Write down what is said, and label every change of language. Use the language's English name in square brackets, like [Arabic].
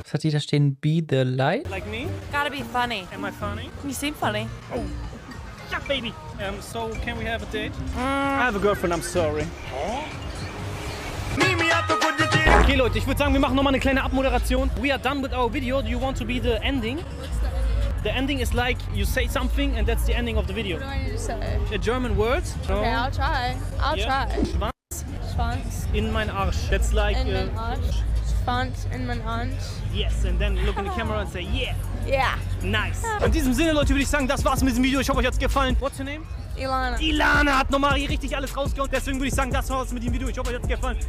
[German] Was hat die da stehen? [English] Be the light? Like me? Gotta be funny. Am I funny? You seem funny. Oh, yeah, baby. So can we have a date? Mm. I have a girlfriend, I'm sorry. Meet me at the good. [German] Okay, Leute, ich würde sagen, wir machen nochmal eine kleine Abmoderation. [English] We are done with our video. Do you want to be the ending? What's the ending? The ending is like you say something and that's the ending of the video. What do I need to say? A German word. So, okay, I'll try. I'll try. [German] Schwanz. Schwanz. In mein Arsch. [English] That's like... [German] In mein Arsch. Schwanz in mein Arsch. [English] Yes, and then look in the camera and say yeah. Yeah. Nice. [German] In diesem Sinne, Leute, würde ich sagen, das war's mit diesem Video. Ich hoffe, euch hat's gefallen. [English] What's your name? Ilana. [German] Ilana hat nochmal hier richtig alles rausgehauen. Deswegen würde ich sagen, das war's mit dem Video. Ich hoffe, euch hat's gefallen.